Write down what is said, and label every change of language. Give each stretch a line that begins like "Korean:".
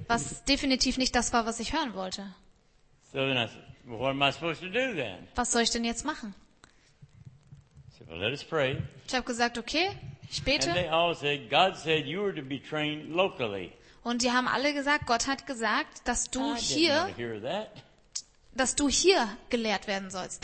German: Was definitiv nicht das war, was ich hören wollte.
English: So then I said, what am I supposed to do then?
German: Was soll ich denn jetzt machen?
English: I said, well, let us pray.
German: Ich habe gesagt, okay, ich bete.
English: And they all said, God said you were to be trained locally.
German: Und die haben alle gesagt, Gott hat gesagt, dass du hier gelehrt werden sollst.